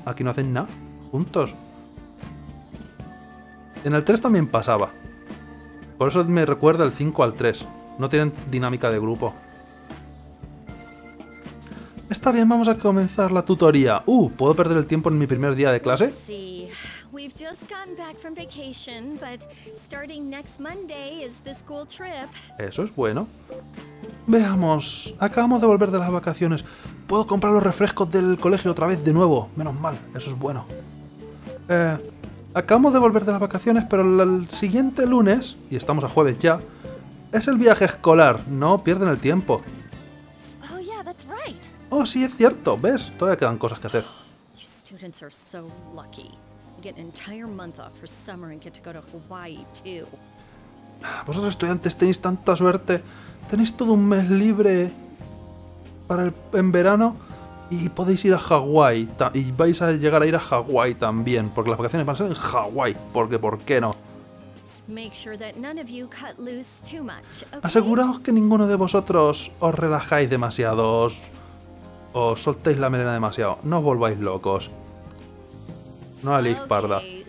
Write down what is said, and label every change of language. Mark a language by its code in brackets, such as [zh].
[es] Aquí no hacen nada juntos. En el 3 también pasaba. Por eso me recuerda el 5 al 3. No tienen dinámica de grupo. Está bien, vamos a comenzar la tutoría. ¿Puedo perder el tiempo en mi primer día de clase? Sí. [en] We've just gotten back from vacation, but starting next Monday is the school trip. [es] Eso es bueno. Veamos, acabamos de volver de las vacaciones. ¿Puedo comprar los refrescos del colegio otra vez de nuevo? Menos mal, eso es bueno. Acabamos de volver de las vacaciones, pero el siguiente lunes, y estamos a jueves ya, es el viaje escolar, no pierden el tiempo. [en] Oh, yeah, that's right. [es] Oh, sí, es cierto, ¿ves? Todavía quedan cosas que hacer. [en] Your students are so lucky. Get an entire month off for summer and get to go to Hawaii too. [es] Vosotros estudiantes tenéis tanta suerte. Tenéis todo un mes libre para en verano y podéis ir a Hawaii y vais a llegar a ir a Hawaii también, porque las vacaciones van a ser en Hawaii, porque ¿por qué no? [en] Make sure that none of you cut loose too much, okay? [es] Aseguraos que ninguno de vosotros os relajáis demasiado, os soltéis la melena demasiado. No os volváis locos. No a Liz Parda.